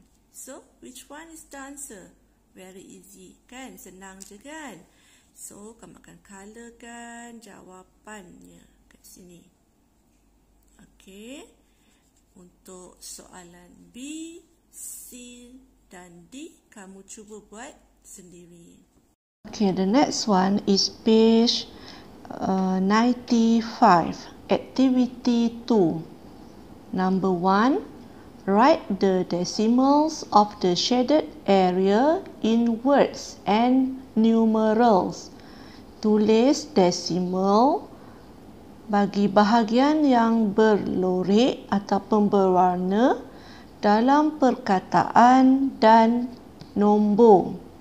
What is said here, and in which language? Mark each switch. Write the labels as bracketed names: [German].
[English] So, which one is the answer? Very easy, [Malay] kan? Senang je, kan? So, kamu akan colorkan jawapannya kat sini. Okay, untuk soalan B, C dan D, kamu cuba buat sendiri. [English] Okay, the next one is page 95. Activity 2. Number 1. Write the decimals of the shaded area in words and numerals. [Malay] Tulis decimal bagi bahagian yang berlorik ataupun berwarna dalam perkataan dan nombor.